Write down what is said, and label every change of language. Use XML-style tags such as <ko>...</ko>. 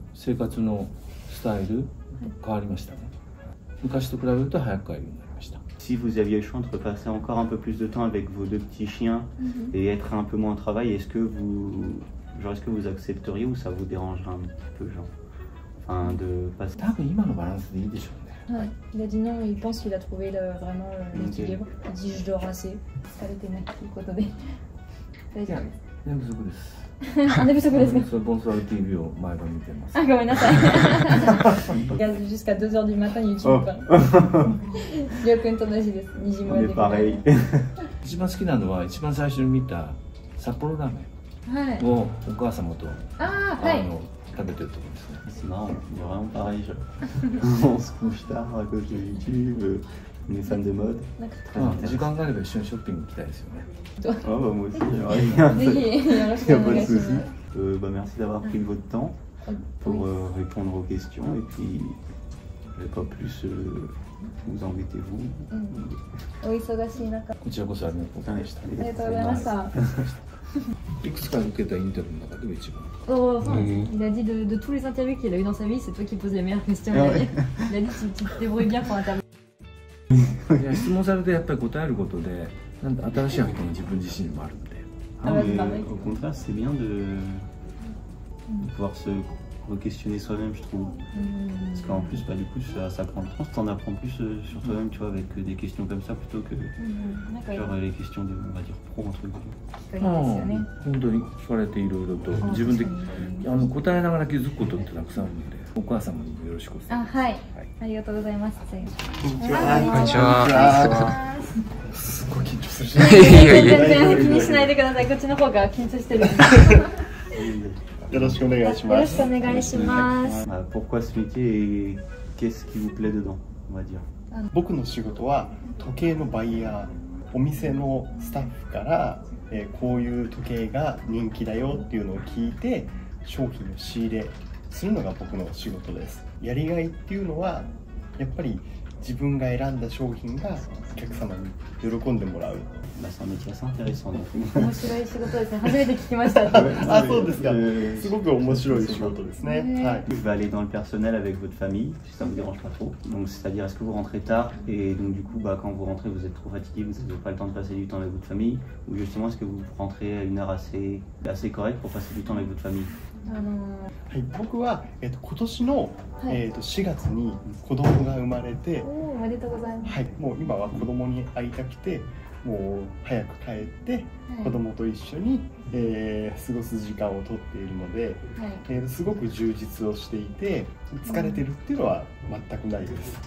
<fr>Quel est le niveau de la vie?</fr> <ja>変わりましたね。昔と比べると早く帰るようになりました。</ja> <fr>Si vous aviez le choix entre passer encore un peu plus de temps avec vos deux petits chiens et être un peu moins au travail, est-ce que vous accepteriez ou ça vous dérangerait un peu, genre, enfin de passer.</fr> <ja>多分今のバランスでいいでしょうね。</ja> <fr>Ouais, il a dit non, il pense qu'il a trouvé vraiment l'équilibre. Il dit je dors assez. Ça l'était bien,</fr> <ja>ということで。寝不足です。寝不足ですね。 Bonsoir TV を毎晩見てます。あ、ごめんなさい。</ja> <fr>Regarde jusqu'à 2h du matin YouTube.</fr> <ja>りょうくんと同じです。 2時まで。</ja> <fr>Pareil.</fr> <ja>一番好きなのは、一番最初に見た札幌ラーメンをお母様と食べてると思うんですね。</ja> <fr>C'est marrant. Vraiment pareil. On se couche tard à cause de YouTube. On est fan de mode.</fr> <ja>時間があれば一緒にショッピング行きたいですよね。</ja> <fr>Ah bah moi aussi, j'aimerais bien. Il n'y a pas de souci. Bah merci d'avoir pris votre temps pour répondre aux questions. Et puis, je ne vais pas plus vous embêter, vous. Oui, ça va, si, d'accord.</fr> <ja>こちらこそありがとうございました。ありがとうございました。いくつか受けたインタビューの中でも一番。</ja> <fr>Oh, il a dit de tous les interviews qu'il a eu dans sa vie, c'est toi qui poses les meilleures questions. Il a dit que tu te débrouilles bien pour interviewer.</fr> <ja>質問されてやっぱり答えることで。なんで新しい発見が自分自身にもあるので。あ、でも、</ja> <fr>お contraire、c'est bien de pouvoir se re-questionner soi-même, je trouve. Parce qu'en plus, bah, du coup, ça prend le temps, t'en apprends plus sur toi-même, tu vois, avec des questions comme ça, plutôt que genre les questions de, on va dire, pro, entre guillemets.</fr> <ja>Ah, 本当に聞かれていろいろと、自分で答えながら気づくことってたくさんあるので、お母様にもよろしくお願ありがとうございます。こんにちは。こんにちは。すごい緊張するじゃん。全然気にしないでください。こっちの方が緊張してる。よろしくお願いします。よろしくお願いします。</ja> <fr>Pourquoi ce métier et qu'est-ce qui vous plaît dedans, on va dire.</fr> <ja>僕の仕事は時計のバイヤー。お店のスタッフから、こういう時計が人気だよっていうのを聞いて、商品の仕入れするのが僕の仕事です。やりがいっていうのはやっぱり自分が選んだ商品がお客様に喜んでもらう。面白い仕事ですね。初めて聞きました。あ、そうですか。すごく面白い仕事ですね。はい。</ja> <fr>Vous allez dans le personnel avec votre famille, si ça ne vous dérange pas trop. Donc, c'est-à-dire, est-ce que vous rentrez tard et donc du coup, bah, quand vous rentrez, vous êtes trop fatigué, vous n'avez pas le temps de passer du temps avec votre famille, ou justement, est-ce que vous rentrez à une heure assez correcte pour passer du temps avec votre famille?</fr> <ja>はい、僕は、今年の、はい、4月に子供が生まれて、おめでとうございます。はい、もう今は子供に会いたくて、もう早く帰って、はい、子供と一緒に、過ごす時間をとっているので、はい、すごく充実をしていて疲れてるっていうのは全くないです、</ja>